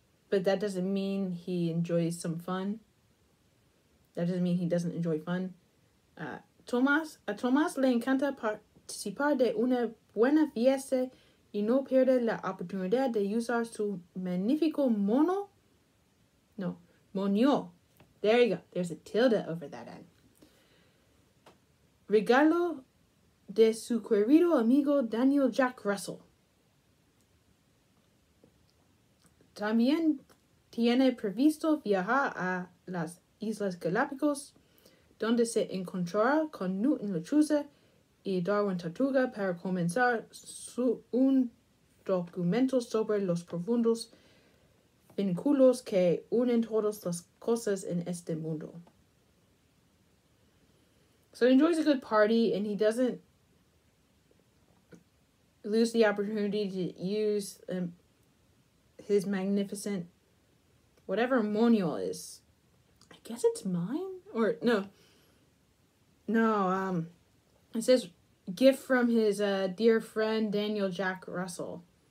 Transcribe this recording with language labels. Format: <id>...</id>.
<en>But that doesn't mean he enjoys some fun. That doesn't mean he doesn't enjoy fun.</en> <es>A Tomás le encanta participar de una buena fiesta y no pierde la oportunidad de usar su magnífico mono.</es> <en>No, moño. There you go. There's a tilde over that end.</en> <es>Regalo de su querido amigo Daniel Jack Russell. También tiene previsto viajar a las Islas Galápagos, donde se encontrará con Newton Lechuza y Darwin Tortuga para comenzar un documento sobre los profundos vínculos que unen todas las cosas en este mundo.</es> <en>So he enjoys a good party and he doesn't lose the opportunity to use his magnificent, whatever moño is. I guess it's mine? Or, no. No, it says gift from his dear friend Daniel Jack Russell.</en>